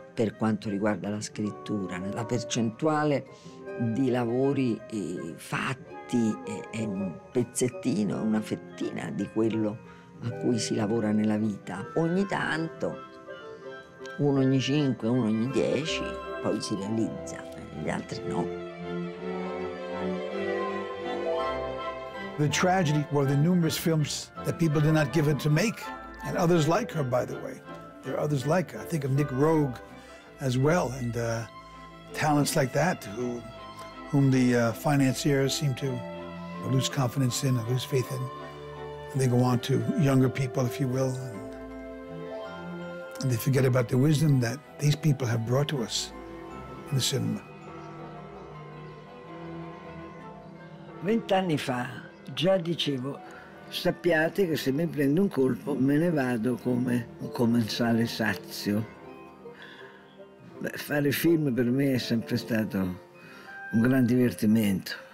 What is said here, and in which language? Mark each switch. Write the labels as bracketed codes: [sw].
[it] Per quanto riguarda la scrittura, la percentuale di lavori fatti è un pezzettino, una fettina di quello a cui si lavora nella vita. Ogni tanto, uno ogni 5, uno ogni 10, poi si realizza, gli altri no. [en] The tragedy were the numerous films that people did not give it to make, and others like her, by the way. There are others like her. I think of Nick Rogue as well, and talents like that whom the financiers seem to lose confidence in, lose faith in, and they go on to younger people, if you will, and they forget about the wisdom that these people have brought to us in the cinema. [it] 20 anni fa già dicevo: sappiate che se mi prendo un colpo me ne vado come un commensale sazio. Beh, fare film per me è sempre stato un gran divertimento.